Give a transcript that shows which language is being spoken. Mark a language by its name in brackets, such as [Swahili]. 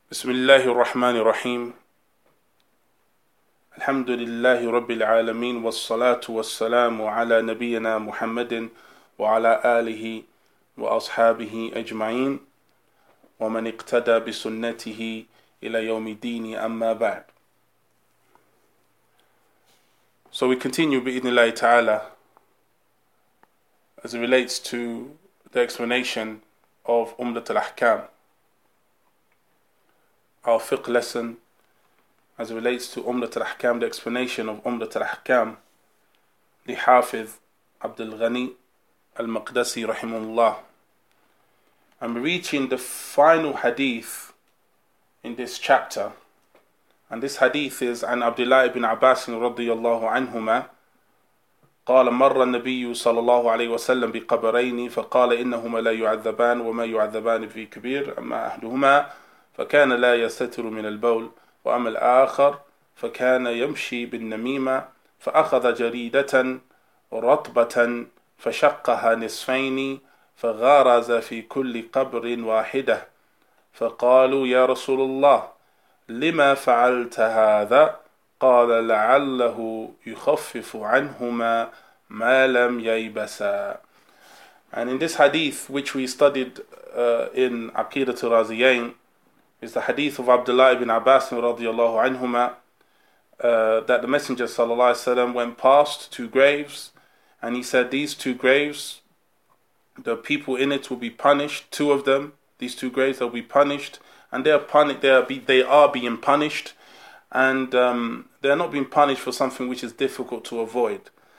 [Arabic] بسم الله الرحمن الرحيم الحمد لله رب العالمين والصلاة والسلام على نبينا محمد وعلى آله وأصحابه أجمعين ومن اقتدى بسنته إلى يوم الدين أما بعد. [English] So we continue [Arabic] بإذن الله تعالى [English] as it relates to the explanation of أمدة الأحكام. Our fiqh lesson as it relates to Umdat al-Ahkam, the explanation of Umdat al-Ahkam, the Hafiz Abdul Ghani al-Maqdasi rahimullah. I'm reaching the final hadith in this chapter, and this hadith is an Abdullah ibn Abbas radiyallahu anhuma. [Arabic] قال مر النبي صلى الله عليه وسلم بقبرين فقال إنهما لا يعذبان وما يعذبان في كبير أما أهلهما فكان لا يستتر من البول وأما الآخر فكان يمشي بالنميمة فأخذ جريدة رطبة فشقها نصفين فغارز في كل قبر واحدة فقالوا يا رسول الله لما فعلت هذا قال لعله يخفف عنهما ما لم ييبسا. [English] And in this hadith which we studied in Aqidat al-Raziyain is the hadith of Abdullah ibn Abbas radiyallahu anhuma, that the Messenger sallallahu alayhi wa sallam went past two graves, and he said, these two graves, the people in it will be punished, two of them, these two graves, they'll be punished, and they are being punished, and they're not being punished for something which is difficult to avoid.